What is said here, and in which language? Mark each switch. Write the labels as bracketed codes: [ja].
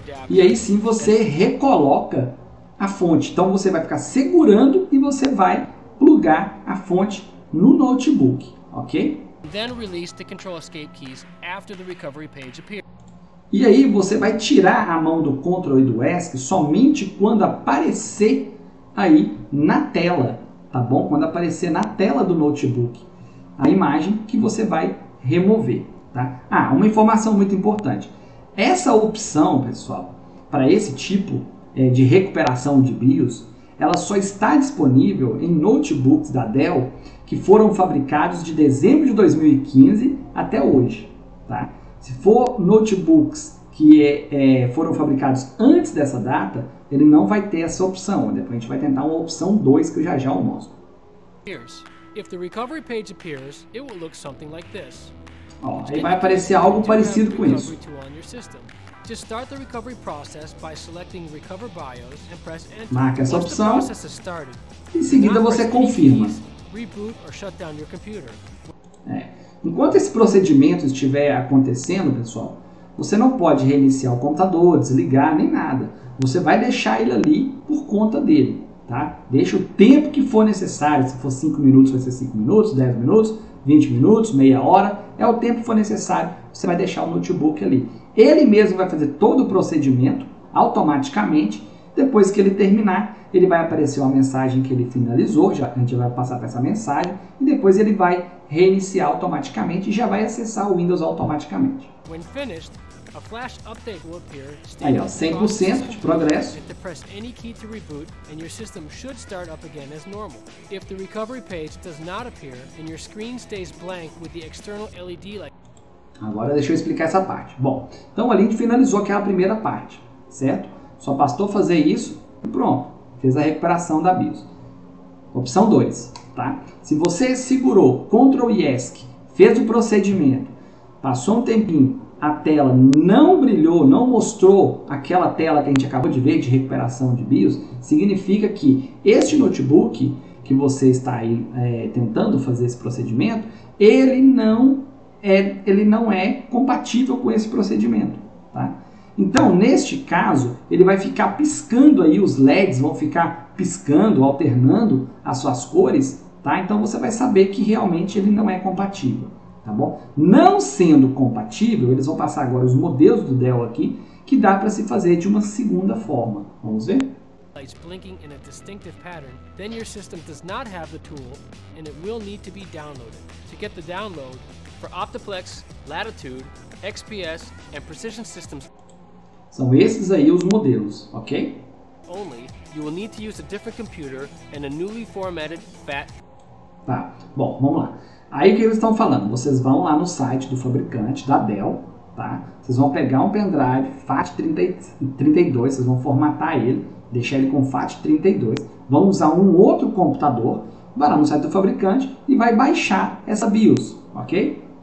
[pt] E aí sim você recoloca a fonte. Então você vai ficar segurando e você vai plugar a fonte no notebook, ok? [en] Then release the control escape keys after the recovery page appears. [pt] E aí você vai tirar a mão do Ctrl e do Esc somente quando aparecer aí na tela, tá bom? Quando aparecer na tela do notebook a imagem que você vai remover, tá? Ah, uma informação muito importante. Essa opção, pessoal, para esse tipo de recuperação de BIOS, ela só está disponível em notebooks da Dell que foram fabricados de dezembro de 2015 até hoje, tá? Se for notebooks que foram fabricados antes dessa data, ele não vai ter essa opção. Depois a gente vai tentar uma opção 2 que eu já eu mostro. [en] If the recovery page appears, it will look something like this. [pt] Ó, aí vai aparecer algo parecido com isso. [en] Just start the recovery process by selecting Recover BIOS and press Enter. [pt] Marca essa [en] Once the [pt] opção [en] process has started, [pt] e em seguida você confirma. [en] reboot or shut down your computer. [pt] Enquanto esse procedimento estiver acontecendo, pessoal, você não pode reiniciar o computador, desligar, nem nada. Você vai deixar ele ali por conta dele, tá? Deixa o tempo que for necessário. Se for 5 minutos, vai ser 5 minutos, 10 minutos, 20 minutos, meia hora. É o tempo que for necessário. Você vai deixar o notebook ali. Ele mesmo vai fazer todo o procedimento automaticamente. Depois que ele terminar, ele vai aparecer uma mensagem que ele finalizou. Já a gente vai passar para essa mensagem. E depois ele vai reiniciar automaticamente e já vai acessar o Windows automaticamente. [en] When finished, a flash update will appear, [pt] Aí, ó, 100% de progresso. [en] To press any key to reboot, and your system should start up again as normal. If the recovery page does not appear, then your screen stays blank with the external LED light. [pt] Agora deixa eu explicar essa parte. Bom, então ali a gente finalizou aquela primeira parte, certo? Só bastou fazer isso e pronto, fez a recuperação da BIOS. Opção 2, tá? Se você segurou Ctrl e Esc, fez o procedimento, passou um tempinho, a tela não brilhou, não mostrou aquela tela que a gente acabou de ver de recuperação de BIOS, significa que este notebook que você está aí tentando fazer esse procedimento, ele não é compatível com esse procedimento, tá? Então, neste caso, ele vai ficar piscando aí, os LEDs vão ficar piscando, alternando as suas cores, tá? Então você vai saber que realmente ele não é compatível, tá bom? Não sendo compatível, eles vão passar agora os modelos do Dell aqui, que dá para se fazer de uma segunda forma. Vamos ver? [en] Lights blinking in a distinctive pattern, then your system does not have the tool and it will need to be downloaded. To get the download for Optiplex, Latitude, XPS and Precision Systems. [pt] São esses aí os modelos, ok? [en] Only, you will need to use a different computer and a newly formatted FAT. [pt] Tá, bom, vamos lá. Aí o que eles estão falando? Vocês vão lá no site do fabricante, da Dell, tá? Vocês vão pegar um pendrive FAT32, vocês vão formatar ele, deixar ele com FAT32, vão usar um outro computador, vai lá no site do fabricante e vai baixar essa BIOS, ok?